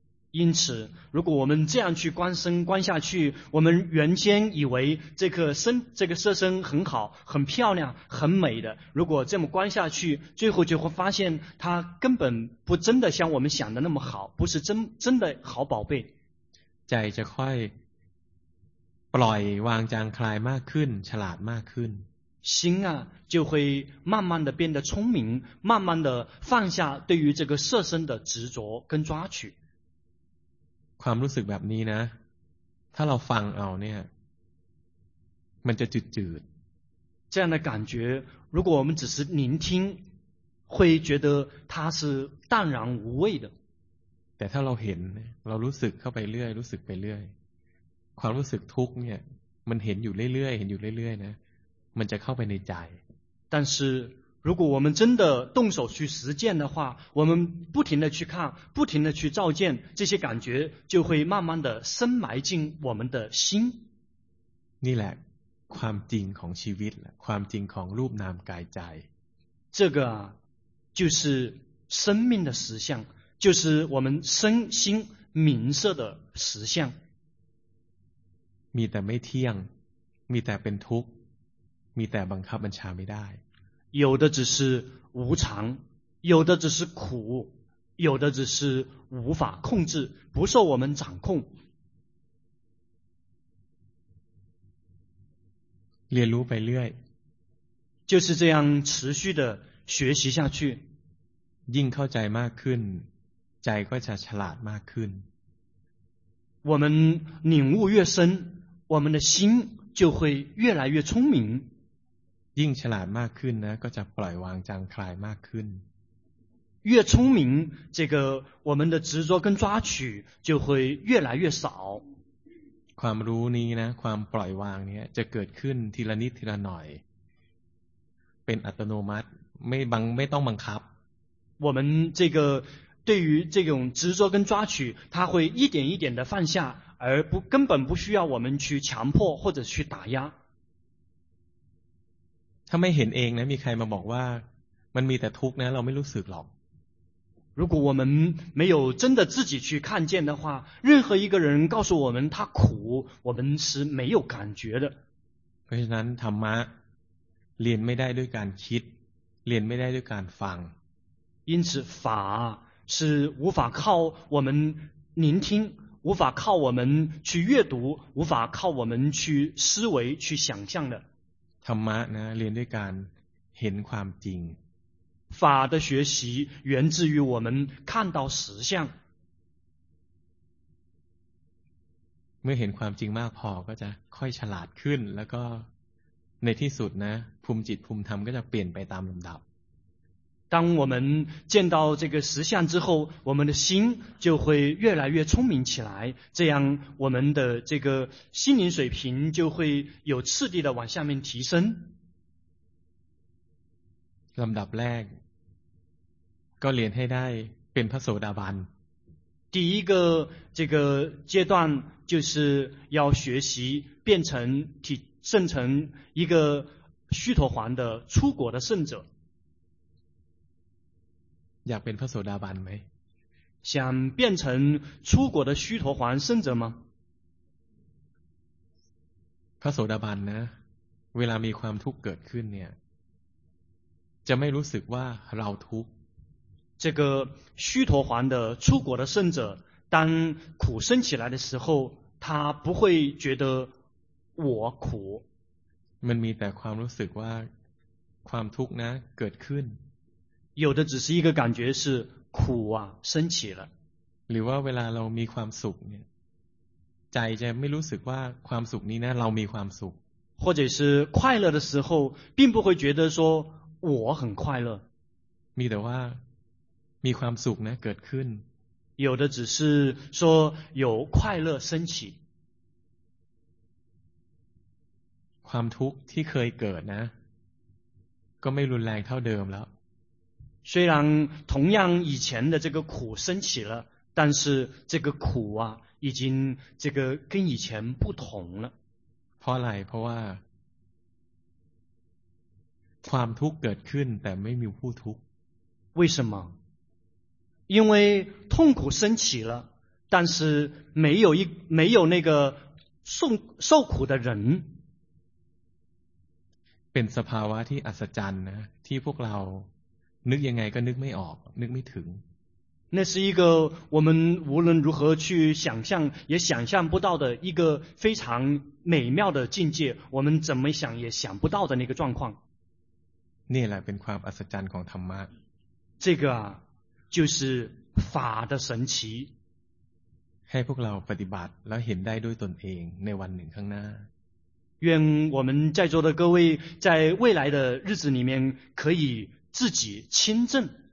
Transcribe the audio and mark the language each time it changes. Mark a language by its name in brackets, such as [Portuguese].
[Chinese] 因此如果我们这样去观身观下去我们原先以为这个色身很好很漂亮很美的如果这么观下去最后就会发现它根本不真的像我们想的那么好不是真的好宝贝 [Thai] ใจจะค่อยปล่อยวางจางคลายมากขึ้นฉลาดมากขึ้น [Chinese] 心啊就会慢慢的变得聪明慢慢的放下对于这个色身的执着跟抓取 [Thai] ความรู้สึกแบบนี้นะถ้าเราฟังเอาเนี่ยมันจะจืดจืด [Chinese] 这样的感觉如果我们只是聆听会觉得它是淡然无味的 [Thai] แต่ถ้าเราเห็นเรารู้สึกเข้าไปเรื่อยรู้สึกไปเรื่อยความรู้สึกทุกข์เนี่ยมันเห็นอยู่เรื่อยเห็นอยู่เรื่อยนะมันจะเข้าไปในใจ [Chinese] 但是如果我们真的动手去实践的话我们不停的去看不停的去照见这些感觉就会慢慢的深埋进我们的心 [Thai] นี่แหละความจริงของชีวิตความจริงของรูปนามกายใจ [Chinese] 这个就是生命的实相就是我们身心名色的实相 [Thai] มีแต่ไม่เที่ยงมีแต่เป็นทุกข์มีแต่บังคับบัญชาไม่ได้ [Chinese] 有的只是无常有的只是苦有的只是无法控制不受我们掌控 [Thai] เรียนรู้ไปเรื่อย [Chinese] 就是这样持续的学习下去 [Thai] ยิ่งเข้าใจมากขึ้นใจก็จะฉลาดมากขึ้น [Chinese] 我们领悟越深我们的心就会越来越聪明 [Thai] ยิ่งฉลาดมากขึ้นนะก็จะปล่อยวางจางคลายมากขึ้น [Chinese] 越聪明这个我们的执着跟抓取就会越来越少 [Thai] ความรู้นี้นะความปล่อยวางนี้จะเกิดขึ้นทีละนิดทีละหน่อยเป็นอัตโนมัติไม่ต้องบังคับ [Chinese] 我们这个对于这种执着跟抓取它会一点一点的放下而不根本不需要我们去强迫或者去打压 [Thai] ถ้าไม่เห็นเองนะมีใครมาบอกว่ามันมีแต่ทุกข์นะเราไม่รู้สึกหรอก [Chinese] 如果我们没有真的自己去看见的话任何一个人告诉我们他苦我们是没有感觉的 [Thai] เพราะฉะนั้นธรรมะเรียนไม่ได้ด้วยการคิดเรียนไม่ได้ด้วยการฟัง [Chinese] 因此法是无法靠我们聆听无法靠我们去阅读无法靠我们去思维去想象的 [Thai] ธรรมะนะเรียนด้วยการเห็นความจริง [Chinese] 法的学习源自于我们看到实相 [Thai] เมื่อเห็นความจริงมากพอก็จะค่อยฉลาดขึ้นแล้วก็ในที่สุดนะภูมิจิตภูมิธรรมก็จะเปลี่ยนไปตามลำดับ [Chinese] 当我们见到这个实相之后我们的心就会越来越聪明起来这样我们的这个心灵水平就会有次第的往下面提升 [Thai] ลำดับแรกก็เรียนให้ได้เป็นพระโสดาบัน [Chinese] 第一个这个阶段就是要学习变成体圣成一个须陀洹的出果的圣者。想变成佛陀达班没？想变成出果的须陀洹圣者吗？佛陀达班呢？ [Thai] เวลามีความทุกข์เกิดขึ้นเนี่ย，จะไม่รู้สึกว่าเราทุกข์。 [Chinese] 这个须陀洹的出果的圣者，当苦生起来的时候，他不会觉得我苦。 [Thai] มันมีแต่ความรู้สึกว่าความทุกข์นะเกิดขึ้น [Chinese] 有的只是一个感觉是苦啊升起了 [Thai] หรือว่าเวลาเรามีความสุขเนี่ยใจจะไม่รู้สึกว่าความสุขนี้นะเรามีความสุข [Chinese] 或者是快乐的时候并不会觉得说我很快乐 [Thai] มีแต่ว่ามีความสุขนะเกิดขึ้น [Chinese] 有的只是说有快乐升起 [Thai] ความทุกข์ที่เคยเกิดนะก็ไม่รุนแรงเท่าเดิมแล้ว [Chinese] 虽然同样以前的这个苦升起了但是这个苦啊已经这个跟以前不同了 [Thai] เพราะอะไรเพราะว่าความทุกข์เกิดขึ้นแต่ไม่มีผู้ทุกข์ [Chinese] 为什么因为痛苦升起了但是没有那个受苦的人 [Thai] เป็นสภาวะที่อัศจรรย์นะที่พวกเรานึกยังไงก็นึกไม่ออกนึกไม่ถึง [Chinese] 那是一个我们无论如何去想象也想象不到的一个非常美妙的境界我们怎么想也想不到的那个状况 [Thai] นี่แหละเป็นความอัศจรรย์ของธรรมะ [Chinese] 这个啊就是法的神奇 [Thai] ให้พวกเราปฏิบัติแล้วเห็นได้ด้วยตนเองในวันหนึ่งข้างหน้า [Chinese] 愿我们在座的各位在未来的日子里面可以自己亲证。